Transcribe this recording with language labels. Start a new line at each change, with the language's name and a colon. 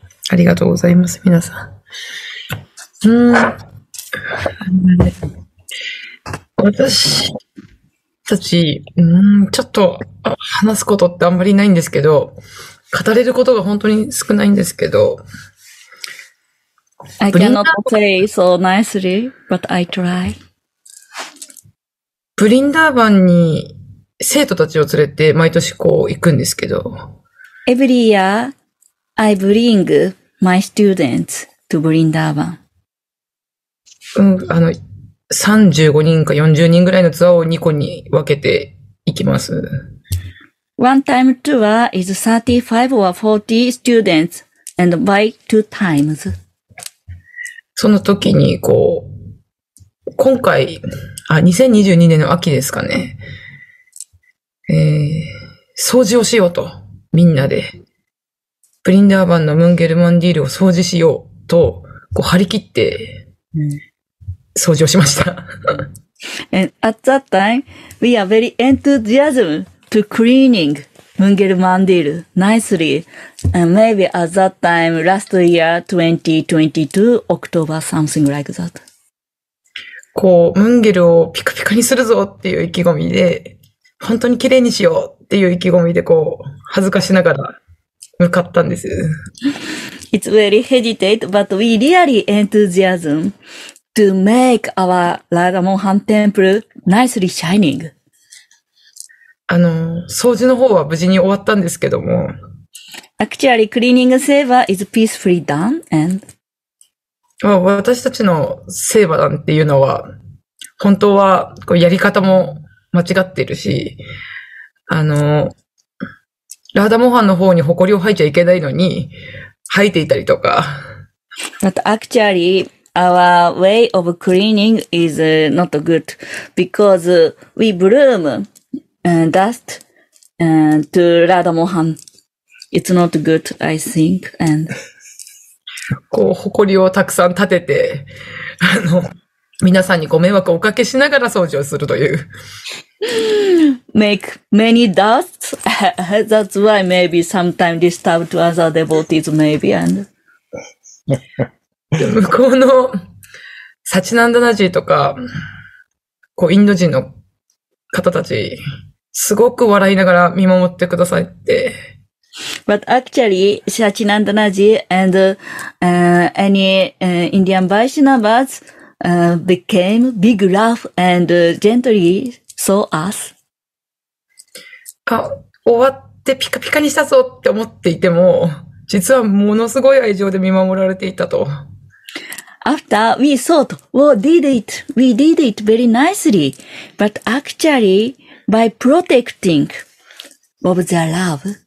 Japanese: ありがとうございます、皆さん。私たち、ちょっと話すことってあんまりないんですけど、語れることが本当に少ないんですけど。
English: I cannot play so nicely, but I try.
Japanese: ブリンダーバンに生徒たちを連れて毎年こう行くんですけど。
English: Every year, I bring my students to ブリンダーバン。
Japanese: 35人か40人ぐらいのツアーを2個に分けていきます。
English: One time tour is 35 or 40 students and by two times.
Japanese: その時にこう、今回、あ、2022年の秋ですかね。掃除をしようと、みんなで。ブリンダーバンのムンゲルマンディールを掃除しようと、こう張り切って、掃除をしました。
English: And at that time, we are very enthusiastic to cleaning Mungermandir nicely. And maybe at that time, last year, 2022, October, something like that.
Japanese: こう、ムンゲルをピカピカにするぞっていう意気込みで、本当に綺麗にしようっていう意気込みで、こう、恥ずかしながら向かったんです。
English: It's very hesitate, but we really enthusiasm. To make our Radha Mohan temple nicely shining.
Japanese: 掃除の方は無事に終わったんですけども。
English: Actually, cleaning seva is peacefully done and.
Japanese: 私たちのセーバなんていうのは、本当はこうやり方も間違ってるし、Radha Mohan の方に埃を吐いちゃいけないのに、吐いていたりとか。
English: But actually,Our way of cleaning is not good because we bloom dust to Radha Mohan. It's not good, I think. And
Japanese: こう埃をたくさん立てて、皆さんにご迷惑をおかけしながら掃除をするという。
English: Make many dust. That's why maybe sometime disturb to other devotees, maybe and.
Japanese: 向こうのサチナンダナジーとか、こうインド人の方たち、すごく笑いながら見守ってくださいって。
English: But actually, サチナンダナジー and any Indian Vaishnavas became big laugh and gently saw us.
Japanese: 終わってピカピカにしたぞって思っていても、実はものすごい愛情で見守られていたと。
English: After we thought, we did it. We did it very nicely. But actually, by protecting of the love.